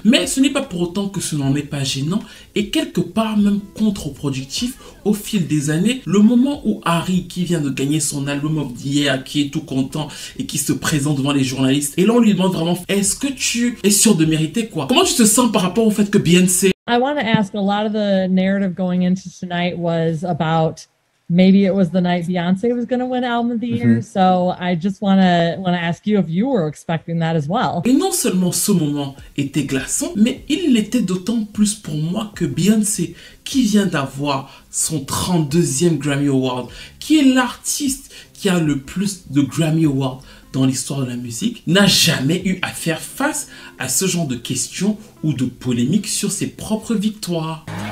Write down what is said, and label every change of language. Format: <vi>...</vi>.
<fr>Mais ce n'est pas pour autant que ce n'en est pas gênant et quelque part même contre-productif au fil des années. Le moment où Harry, qui vient de gagner son album of the year, qui est tout content et qui se présente devant les journalistes, et là on lui demande vraiment, est-ce que tu es sûr de mériter quoi? Comment tu te sens par rapport au fait que Beyoncé...</fr> <en>I want to ask, a lot of the narrative going into tonight was about maybe it was the night Beyoncé was going to win Album of the Year. Mm-hmm. So I just want to ask you if you were expecting that as well.</en> <fr>Et non seulement ce moment était glaçant, mais il l'était d'autant plus pour moi que Beyoncé, qui vient d'avoir son 32e Grammy Award, qui est l'artiste qui a le plus de Grammy Awards dans l'histoire de la musique, n'a jamais eu à faire face à ce genre de questions ou de polémiques sur ses propres victoires.</fr>